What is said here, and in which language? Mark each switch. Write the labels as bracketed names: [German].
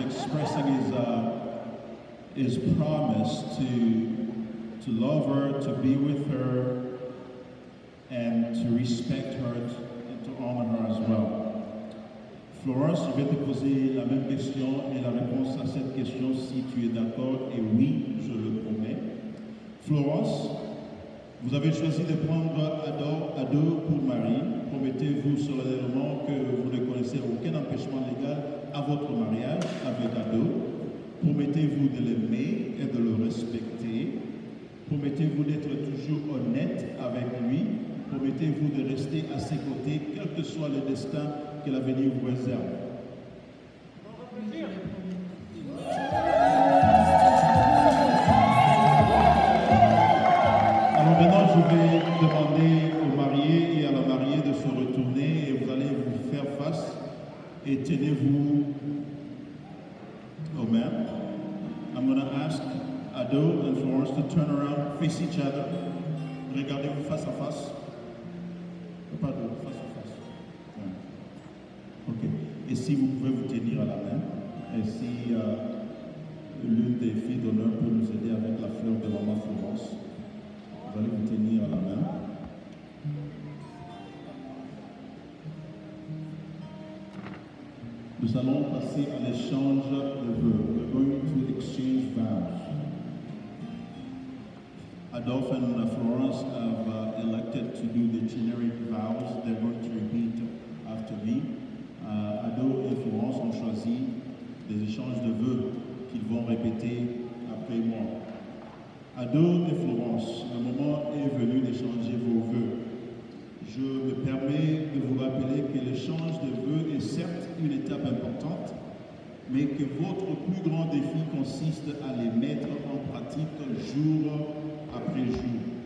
[English] He's expressing his promise to love her, to be with her, and to respect her and to honor her as well. [French] Florence, je vais te poser la même question et la réponse à cette question, si tu es d'accord, et oui, je le promets. Florence, vous avez choisi de prendre Adol pour mari. Promettez-vous solennellement que vous ne connaissez aucun empêchement légal à votre mariage avec Adol. Promettez-vous de l'aimer et de le respecter. Promettez-vous d'être toujours honnête avec lui. Promettez-vous de rester à ses côtés, quel que soit le destin que l'avenir vous réserve. Alors maintenant, je vais demander aux mariés et à la mariée de se retourner et vous allez vous faire face et tenez-vous aux mains. [English] I'm going to ask Adol and Florence to turn around, face each other. [French] Regardez-vous face à face. Pardon, face à face. Ok. Et si vous pouvez vous tenir à la main, et si l'une des filles d'honneur peut nous aider avec la fleur de maman Florence, vous allez vous tenir à la main. Nous allons passer à l'échange de vœux. [English] We're going to exchange vows. Adol and Florence have elected to do the generic vows. They're going to repeat after me. [French] Adol et Florence ont choisi des échanges de vœux qu'ils vont répéter après moi. Adol et Florence, le moment est venu d'échanger vos vœux. Je me permets de vous rappeler que l'échange de vœux est certes une étape importante, mais que votre plus grand défi consiste à les mettre en pratique jour après jour.